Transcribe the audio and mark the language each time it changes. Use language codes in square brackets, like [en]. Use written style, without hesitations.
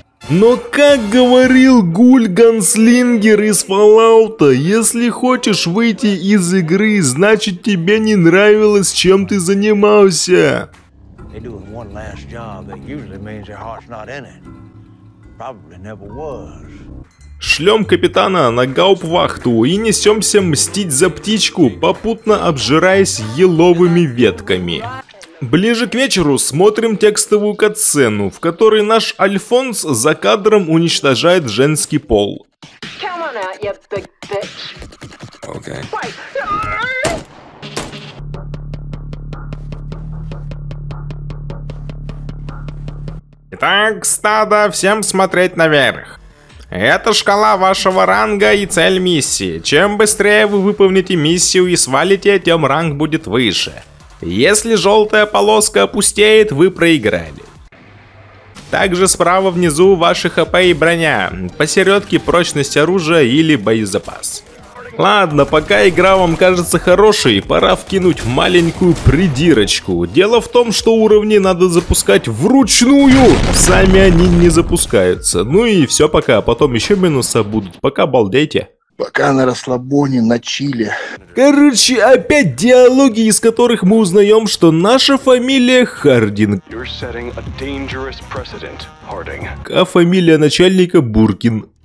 [ru] Но как говорил Гуль Ганслингер из Фоллаута, если хочешь выйти из игры, значит тебе не нравилось, чем ты занимался. [en] They're doing one last job that usually means your heart's not in it. Probably never was. [ru] Шлем капитана на гауптвахту и несемся мстить за птичку, попутно обжираясь еловыми ветками. Ближе к вечеру смотрим текстовую катсцену, в которой наш Альфонс за кадром уничтожает женский пол. [en] Come on out, you big bitch. Okay. [ru] Так, стадо, всем смотреть наверх. Это шкала вашего ранга и цель миссии. Чем быстрее вы выполните миссию и свалите, тем ранг будет выше. Если желтая полоска опустеет, вы проиграли. Также справа внизу ваши хп и броня. Посередке прочность оружия или боезапас. Ладно, пока игра вам кажется хорошей, пора вкинуть маленькую придирочку. Дело в том, что уровни надо запускать вручную, сами они не запускаются. Ну и все, пока, потом еще минусы будут, пока балдейте. Пока на расслабоне, на чиле. Короче, опять диалоги, из которых мы узнаем, что наша фамилия Хардин. [en] You're setting a dangerous precedent, Harding. [ru] А фамилия начальника Буркин.